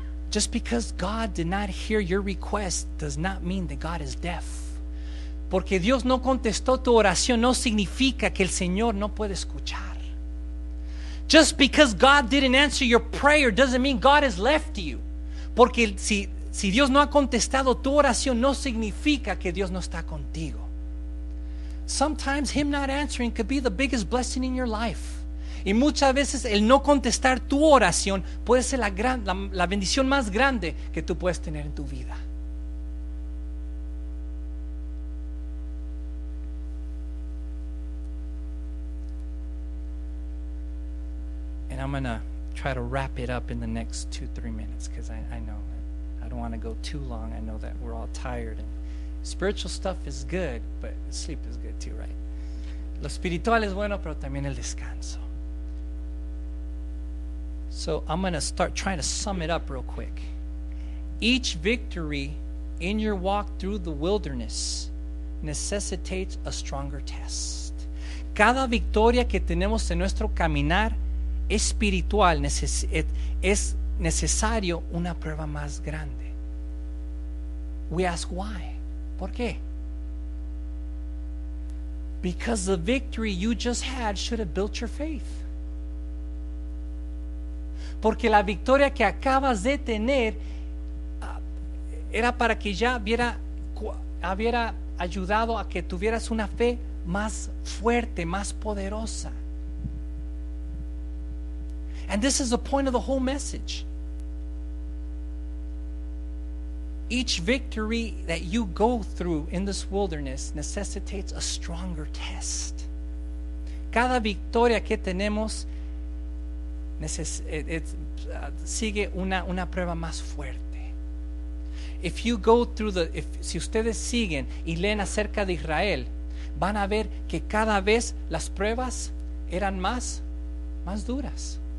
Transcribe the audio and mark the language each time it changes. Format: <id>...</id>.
<en>Just because God did not hear your request does not mean that God is deaf.</en> <es>Porque Dios no contestó tu oración no significa que el Señor no puede escuchar.</es> <en>Just because God didn't answer your prayer doesn't mean God has left you.</en> <es>Porque si Dios no ha contestado tu oración, no significa que Dios no está contigo.</es> <en>Sometimes Him not answering could be the biggest blessing in your life.</en> <es>Y muchas veces el no contestar tu oración puede ser la bendición más grande que tú puedes tener en tu vida.</es> <en>And I'm going to try to wrap it up in the next 2-3 minutes because I know I don't want to go too long. I know that we're all tired. And spiritual stuff is good, but sleep is good too, right?</en> <es>Lo espiritual es bueno, pero también el descanso.</es> <en>So I'm going to start trying to sum it up real quick. Each victory in your walk through the wilderness necessitates a stronger test.</en> <es>Cada victoria que tenemos en nuestro caminar espiritual es necesario una prueba más grande.</es> <en>We ask why.</en> <es>¿Por qué?</es> <en>Because the victory you just had should have built your faith.</en> <es>Porque la victoria que acabas de tener era para que ya hubiera ayudado a que tuvieras una fe más fuerte, más poderosa.</es> <en>And this is the point of the whole message. Each victory that you go through in this wilderness necessitates a stronger test.</en> <es>Cada victoria que tenemos sigue una prueba más fuerte.</es> <en>If you go through the, if,</en> <es>si ustedes siguen y leen acerca de Israel, van a ver que cada vez las pruebas eran más, más duras.</es>